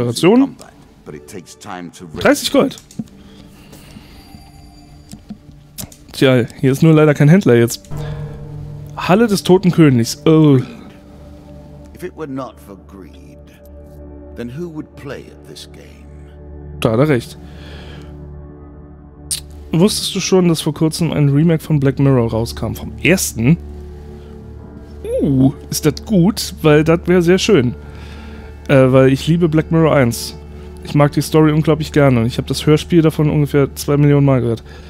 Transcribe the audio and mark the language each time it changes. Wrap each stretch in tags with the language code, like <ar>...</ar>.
<en>use in combat, but it takes time to raise. 30 Gold.</en> <de>Tja, hier ist nur leider kein Händler jetzt. Halle des Toten Königs. Oh.</de> <en>If it were not for greed, then who would play at this game?</en> <de>Da hat er recht. Wusstest du schon, dass vor kurzem ein Remake von Black Mirror rauskam? Vom ersten? Ist das gut? Weil das wäre sehr schön. Weil ich liebe Black Mirror 1. Ich mag die Story unglaublich gerne und ich habe das Hörspiel davon ungefähr 2 Millionen Mal gehört.</de>